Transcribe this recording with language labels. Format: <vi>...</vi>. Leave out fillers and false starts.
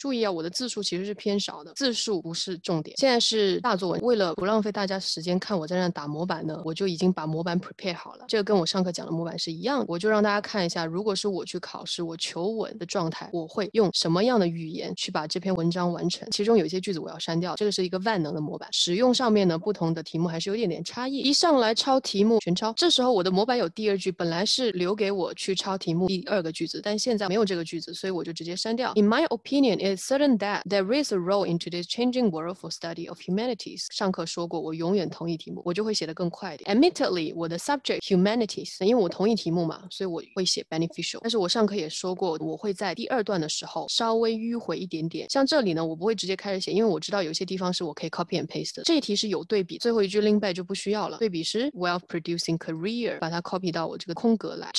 <zh>注意啊，我的字数其实是偏少的，字数不是重点。现在是大作文，为了不浪费大家时间看我在那打模板呢，我就已经把模板 prepare 好了。这个跟我上课讲的模板是一样的，我就让大家看一下，如果是我去考试，我求稳的状态，我会用什么样的语言去把这篇文章完成。其中有一些句子我要删掉，这个是一个万能的模板。使用上面呢，不同的题目还是有点差异。一上来抄题目全抄，这时候我的模板有第二句，本来是留给我去抄题目第二个句子，但现在没有这个句子，所以我就直接删掉。</zh> <en>In my opinion, it's certain that there is a role in today's changing world for study of humanities.</en> <zh>上课说过，我永远同意题目，我就会写得更快一点。 Admittedly, 我的 subject humanities，因为我同意题目嘛，所以我会写 beneficial。但是我上课也说过，我会在第二段的时候稍微迂回一点点。像这里呢，我不会直接开始写，因为我知道有些地方是我可以 copy and paste 的。这一题是有对比，最后一句 link back 就不需要了。对比是 wealth producing career，把它 copy 到我这个空格来。</zh>